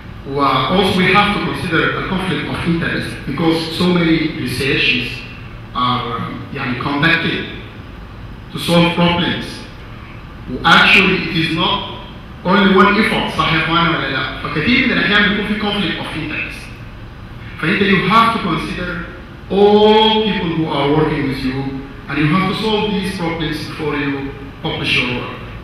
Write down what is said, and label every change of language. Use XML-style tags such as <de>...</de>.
<en>و also we have to consider a conflict of interest because so many researches are</en> <ar>يعني</ar> <en>conducted to solve problems.</en> <ar>و</ar> <en>actually it is not only one effort</en> <ar>صح يا اخوانا ولا لا؟ فكثير من الأحيان بيكون في</ar> <en>conflict of interest.</en> <ar>فأنت</ar> <en>you have to consider all people who are working with you and you have to solve these problems before you publish your work.</en>